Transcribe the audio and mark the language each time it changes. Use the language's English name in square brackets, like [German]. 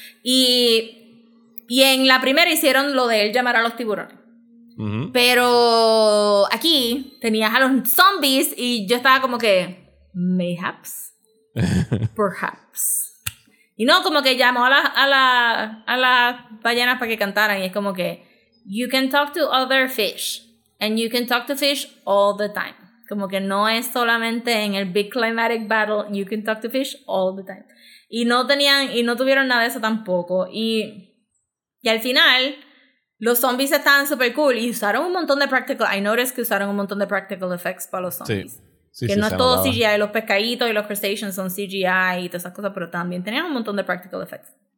[Spanish] Y en la primera hicieron lo de él llamar a los tiburones. Pero aquí tenías a los zombies y yo estaba como que, [English] mayhaps, perhaps. [Spanish] Y no, como que llamó a la ballenas para que cantaran. Y es como que, [English] you can talk to other fish. And you can talk to fish all the time. [Spanish] Como que no es solamente en el [English] big climatic battle. You can talk to fish all the time. [Spanish] Y no tenían, y no tuvieron nada de eso tampoco. Y al final, los zombies estaban super cool. Y usaron un montón de practical. [English] I noticed [Spanish] que usaron un montón de practical effects para los zombies. Sí. No es todo CGI, los pescaditos y los crustaceans son CGI y todas esas cosas, pero también tenían un montón de practical effects.